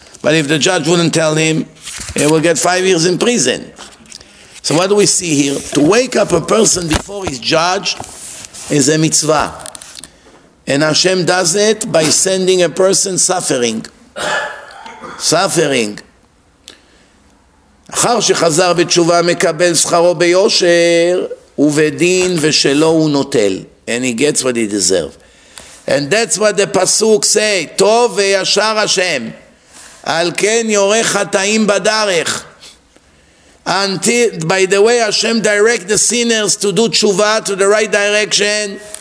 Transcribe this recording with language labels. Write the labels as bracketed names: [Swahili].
[English] But if the judge wouldn't tell him, he will get 5 years in prison. So what do we see here? To wake up a person before he's judged is a mitzvah. And Hashem does it by sending a person suffering. Suffering. [Hebrew] אחר שחזר בתשובה מקבל שכרו ביושר, ובדין ושלו הוא נוטל. [English] And he gets what he deserves. And that's what the pasuk say, [Hebrew] טוב וישר [English] Hashem. [Hebrew] על כן יורך חטאים בדרך. [English] Until, by the way, Hashem direct the sinners to do תשובה, to the right direction.